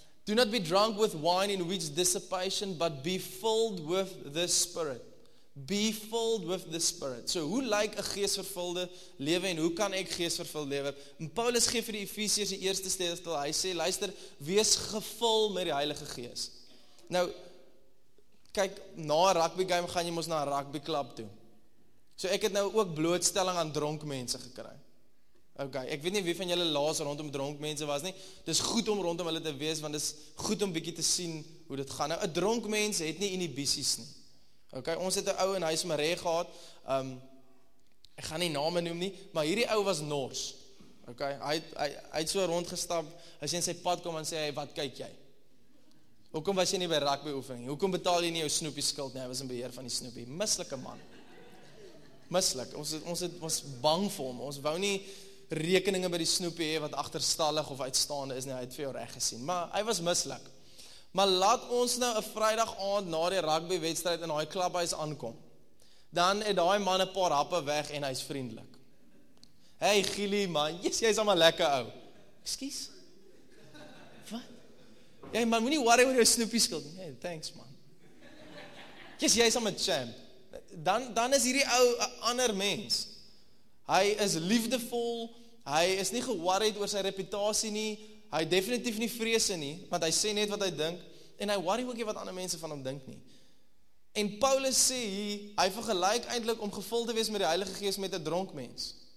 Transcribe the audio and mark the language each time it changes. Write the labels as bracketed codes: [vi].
[en] Do not be drunk with wine in which dissipation, but be filled with the Spirit. Be filled with the Spirit. [af] So, hoe lyk 'n geesvervulde lewe en hoe kan ek geesvervulde lewe? Paulus gee vir die Efesiërs die eerste sleutel, hy sê, luister, wees gevul met die Heilige Gees. Nou, kyk, na 'n rugby game gaan jy mos na 'n rugby club toe. So, ek het nou ook blootstelling aan dronk mense gekry. Ok, ek weet nie wie van julle laas rondom dronk mense was nie, dis goed om rondom hulle te wees, want dis goed om bykie te sien hoe dit gaan. Nou, een dronk mens het nie inhibisies nie. Ok, ons het een ou in huis Marie gehad, ek gaan nie name noem nie, maar hierdie ou was nors. Ok, hy het so rondgestap, hy sê in sy pad kom en sê, wat kyk jy? Hoekom was jy nie by rugby oefening? Hoekom betaal jy nie jou snoepie skuld? Nee, hy was in beheer van die snoepie. Mislike man. Mislike. Ons was bang vir hom, ons wou nie rekeninge by die snoepie hee, wat achterstallig of uitstaande is, nie, hy het vir jou reg gesien, maar hy was mislik. Maar laat ons nou 'n vrydag aand na die rugby wedstrijd in hy klubhuis aankom, dan het hy man 'n paar happe weg, en hy is vriendelik. Hey Gielie man, yes, jy is allemaal lekker ou. Excuse? Wat? Hey man, moet nie worry oor jou snoepie skuld. [en] Hey, thanks man. [af] Yes, jy is allemaal champ. Dan is hierdie ou een ander mens. Hy is liefdevol, hy is nie geworried oor sy reputasie nie, hy definitief nie vrese nie, want hy sê net wat hy dink, en hy worry ook nie wat ander mense van hom dink nie. En Paulus sê, hy vergelyk eintlik om gevul te wees met die Heilige Gees met 'n dronk mens.